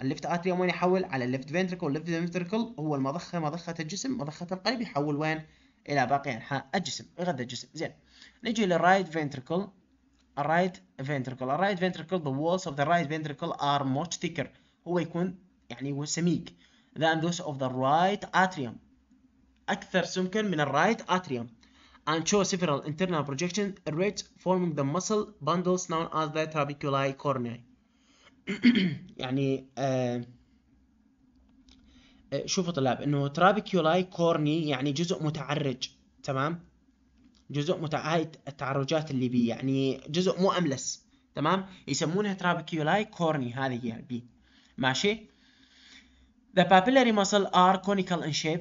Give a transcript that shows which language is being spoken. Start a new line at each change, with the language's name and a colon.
Arabic: الليفت اتريوم وين يحول؟ على الليفت فينتريكل. الليفت فينتريكل هو المضخة، مضخة الجسم، مضخة القلب، يحول وين؟ الى باقي انحاء الجسم، يغذى الجسم. زين نجي للرايت فينتريكل. الرايت فينتريكل، الرايت فينتريكل
English: the walls of the right ventricle are much thicker،
Arabic: هو يكون يعني هو سميك،
English: than those of the right atrium،
Arabic: أكثر سمكاً من الرايت أتريوم.
English: And show several internal projections rich forming the muscle bundles known as the trabeculae corneae.
Arabic: يعني شوفوا طلاب إنه trabeculae corneae يعني جزء متعرج، تمام؟ جزء متعايد التعرجات اللي بي، يعني جزء مو أملس، تمام؟ يسمونها trabeculae corneae، هذه هي بي، ماشي؟
English: The papillary muscle are conical in shape.